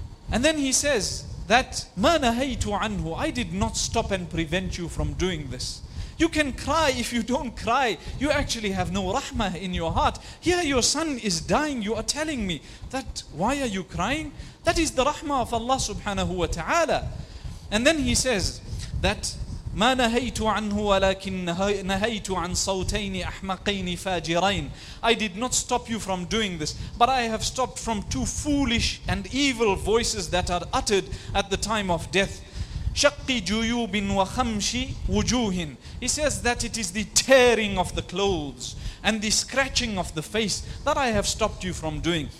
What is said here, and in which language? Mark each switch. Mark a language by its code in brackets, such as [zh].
[en] And then he says that, [ar] ma nahaytu anhu. [en] I did not stop and prevent you from doing this. You can cry. If you don't cry, you actually have no rahmah in your heart. Here your son is dying. You are telling me that, why are you crying? That is the rahmah of Allah subhanahu wa ta'ala. And then he says that, [ar] مَا نَهَيْتُ عَنْهُ وَلَكِنْ نَهَيْتُ عَنْ صَوْتَيْنِ أَحْمَقَيْنِ فَاجِرَيْنِ. [en] I did not stop you from doing this, but I have stopped from two foolish and evil voices that are uttered at the time of death. [ar] شَقِّ جُيُوبٍ وَخَمْشِ وُجُوهٍ. [en] He says that it is the tearing of the clothes and the scratching of the face that I have stopped you from doing.